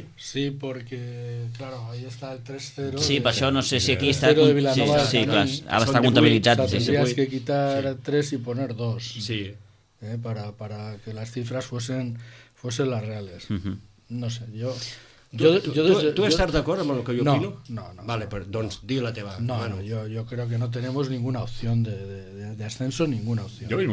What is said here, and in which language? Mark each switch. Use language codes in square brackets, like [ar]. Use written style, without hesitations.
[es] Sí, perquè, claro, ahí está el 3-0. [ca] Sí, per això no sé si aquí està... Sí, clar, ara està comptabilitzat. [es] Tendrías que quitar 3 y poner 2. Sí. Para que las cifras fuesen las reales. No sé, yo [ca] ¿Tú estàs d'acord amb el que jo opino? No. Vale, però doncs di la teva. No, jo crec que no tenim ninguna opció de ascenso, ninguna opció.